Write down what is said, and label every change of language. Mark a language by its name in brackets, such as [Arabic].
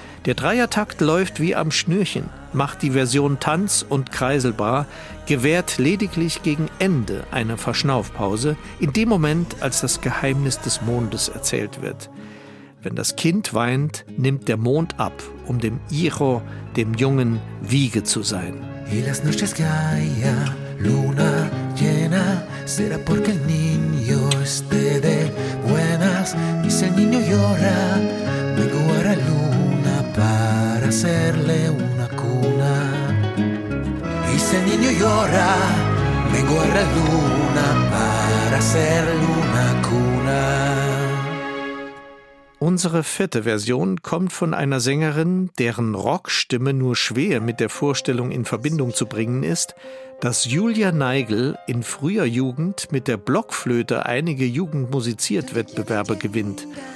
[German] Der Dreiertakt läuft wie am Schnürchen, macht die Version tanz- und kreiselbar, gewährt lediglich gegen Ende eine Verschnaufpause, in dem Moment, als das Geheimnis des Mondes erzählt wird. Wenn das Kind weint, nimmt der Mond ab, um dem Hijo, dem Jungen, Wiege zu sein. [Spanish] Y las noches que haya luna llena, será porque el niño esté de buenas. Y si el niño llora, vengo a la luna para hacerle una cuna. Y si el niño llora, vengo a la luna para hacerle una cuna. [German] Unsere vierte Version kommt von einer Sängerin, deren Rockstimme nur schwer mit der Vorstellung in Verbindung zu bringen ist, dass Julia Neigel in früher Jugend mit der Blockflöte einige Jugendmusiziert-Wettbewerbe gewinnt.